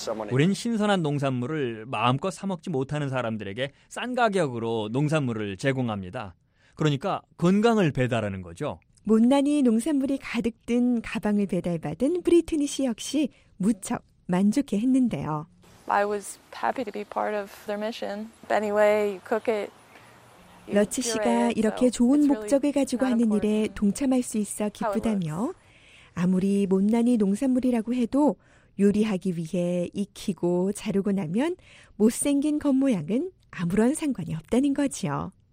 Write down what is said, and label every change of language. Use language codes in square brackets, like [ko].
[ko] 우린 신선한 농산물을 마음껏 사 먹지 못하는 사람들에게 싼 가격으로 농산물을 제공합니다. 그러니까 건강을 배달하는 거죠. 못난이 농산물이 가득 든 가방을 배달받은 브리트니 씨 역시 무척 만족해 했는데요. [en] I was happy to be part of their mission. Anyway, you cook it. [ko] 러치 씨가 이렇게 좋은 목적을 가지고 하는 일에 동참할 수 있어 기쁘다며 아무리 못난이 농산물이라고 해도 요리하기 위해 익히고 자르고 나면 못생긴 겉모양은 아무런 상관이 없다는 거죠.